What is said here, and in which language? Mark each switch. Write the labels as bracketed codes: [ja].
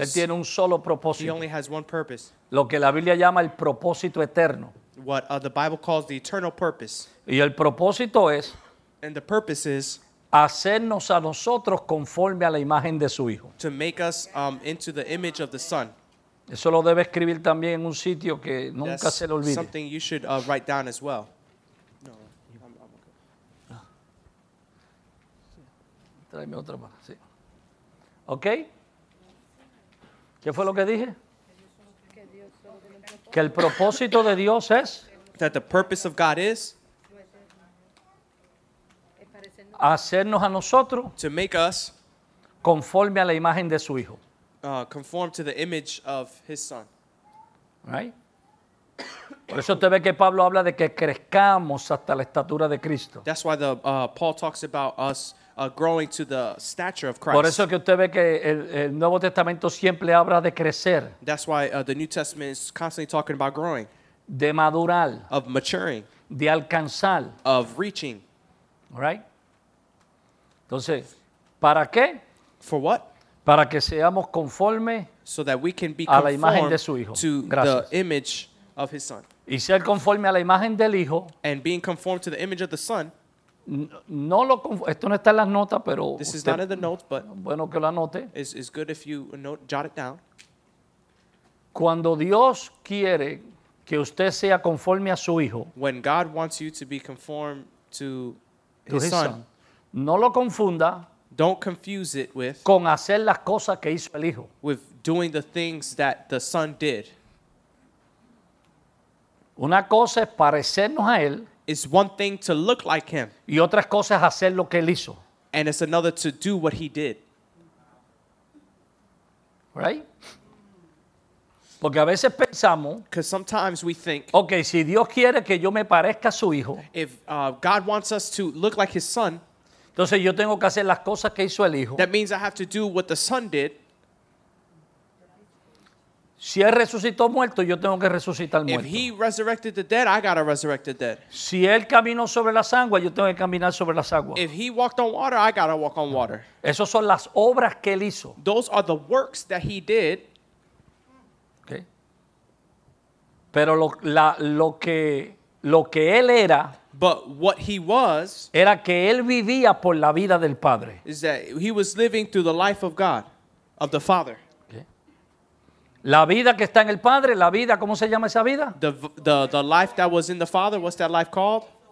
[es] Él tiene un solo propósito. [en] He only has one purpose. [es] Lo que la Biblia llama el propósito eterno. [en] What the Bible calls the eternal purpose. [es] Y el propósito es. [en] And the purpose is. [es] Hacernos a nosotros conforme a la imagen de su Hijo. [en] To make us into the image of the Son. [es] Eso lo debe escribir también en un sitio que nunca [en] that's [es] se le olvide. [en] Something you should write down as well. No, I'm [es] okay. Tráeme otra más. Sí. ¿Ok? ¿Qué fue lo que dije? Que el propósito de Dios es. [en] That the purpose of God is. [es] Hacernos a nosotros [en] to make us [es] conforme a la imagen de su Hijo. [en] Conform to the image of his Son. Right? [es] Por eso usted ve que Pablo habla de que crezcamos hasta la estatura de Cristo. [en] That's why the Paul talks about us growing to the stature of Christ. [es] Por eso que usted ve que el Nuevo Testamento siempre habla de crecer. [en] That's why the New Testament is constantly talking about growing. [es] De madurar. [en] Of maturing. [es] De alcanzar. [en] Of reaching. [es] Right? Entonces, ¿para qué? [en] For what? [es] Para que seamos conforme [en] so that we can be [es] a la imagen de su Hijo. [en] To [es] gracias. [en] The image of his Son. [es] Y ser conforme a la imagen del Hijo. [en] And being conformed to the image of the Son. [es] No lo esto no está en las notas, pero [en] this usted, is not in the notes, but [es] bueno que lo anote. [en] It's good if you jot it down. [es] Cuando Dios quiere que usted sea conforme a su Hijo. [en] When God wants you to be conformed to his Son. [es] No lo confunda. [en] Don't confuse it with. [es] Con hacer las cosas que hizo el hijo. [en] With doing the things that the son did. [es] Una cosa es parecernos a él. [en] It's one thing to look like him. [es] Y otra cosa es hacer lo que él hizo. [en] And it's another to do what he did. Right? [es] Porque a veces pensamos, [en] because sometimes we think, [es] okay, si Dios quiere que yo me parezca a su hijo, [en] if God wants us to look like his son, [es] entonces yo tengo que hacer las cosas que hizo el hijo. [en] That means I have to do what the son did. [es] Si él resucitó muerto, yo tengo que resucitar muerto. [en] If he resurrected the dead, I gotta resurrect the dead. [es] Si él caminó sobre las aguas, yo tengo que caminar sobre las aguas. [en] If he walked on water, I gotta walk on water. [es] Esas son las obras que él hizo. [en] Those are the works that he did. [es] Okay. Pero lo que él era. [en] But what he was. [es] Era que él vivía por la vida del Padre. [en] Is that he was living through the life of God, of the Father. [es] La vida que está en el Padre, la vida, ¿cómo se llama esa vida? [en] The life that was in the Father, what's that life called?